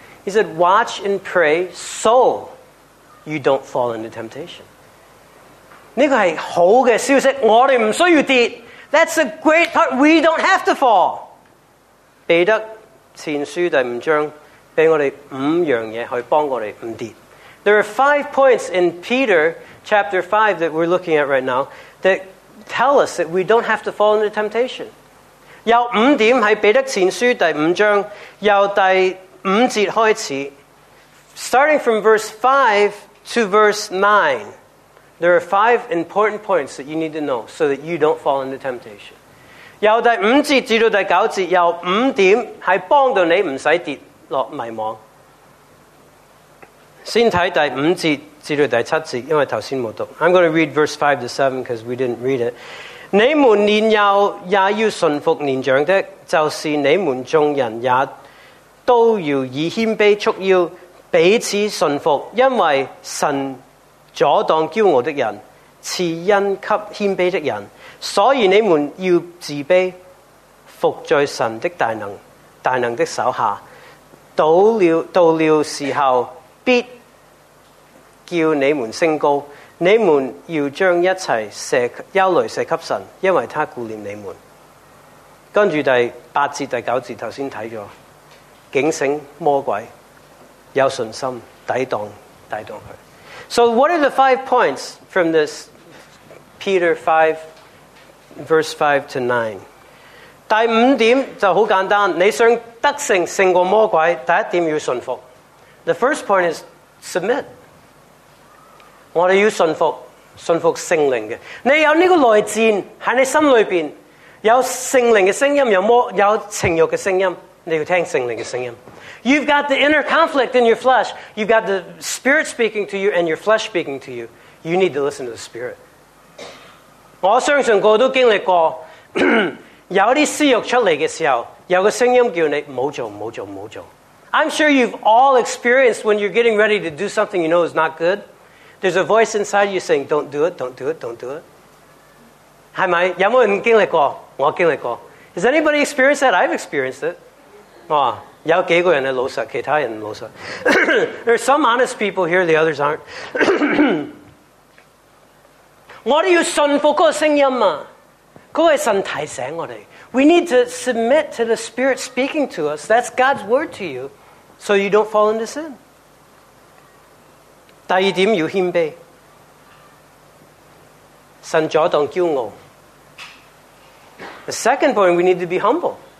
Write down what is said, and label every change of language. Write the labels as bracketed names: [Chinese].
[English] He said, watch and pray so you don't fall into temptation. [Chinese] 这个是好的消息，我们不需要跌。 [English] That's a great part, we don't have to fall. [Chinese] 彼得前书第五章给我们五样东西去帮我们不跌。 [English] There are five points in Peter chapter 5 that we're looking at right now that tell us that we don't have to fall into temptation. 有五点在彼得前书第五章有第五节开始，starting from verse 5 to verse 9, there are five important points that you need to know so that you don't fall into temptation. [Chinese] 由第五节至到第九节，有五点系帮到你唔使跌落迷惘。先睇第五节至到第七节，因为头先冇读。 I'm going to read verse 5 to 7 because we didn't read it. 你们年幼也要顺服年长的，就是你们众人也。都要以谦卑束腰，彼此顺服，因为神阻挡骄傲的人，赐恩给谦卑的人。所以你们要自卑，服在神的大能、大能的手下。到了时候，必叫你们升高。你们要将一切忧虑卸给神，因为他顾念你们。跟住第八节、第九节，头先睇咗。警醒魔鬼，有信心抵挡抵挡佢。 [English] So what are the five points from this Peter 5:5-9? [Chinese] 第五点就好简单，你想得胜胜过魔鬼，第一点要顺服。 [English] The first point is submit. [Chinese] 我哋要顺服，顺服圣灵嘅。你有呢个内战喺你心里边，有圣灵嘅声音，有情欲嘅声音。你要听圣灵的声音。 [English] You've got the inner conflict in your flesh. You've got the Spirit speaking to you and your flesh speaking to you. You need to listen to the Spirit. [Chinese] 我相信我都经历过，有啲私欲出嚟嘅时候，有个声音叫你唔好做，唔好做，唔好做。 [English] I'm sure you've all experienced when you're getting ready to do something you know is not good. There's a voice inside you saying, "Don't do it, don't do it, don't do it." [Chinese] 系咪？有冇人经历过？我经历过。 [English] Has anybody experienced that? I've experienced it. [Chinese] 哦，有几个人系老实，其他人唔老实。 [English] There's some honest people here, the others aren't. [Chinese] 我哋要顺服嗰个声音啊！嗰个神提醒我哋。 [English] We need to submit to the Spirit speaking to us. That's God's word to you, so you don't fall into sin. [Chinese] 第二点要谦卑，神阻挡骄傲。 [English] The second point, we need to be humble.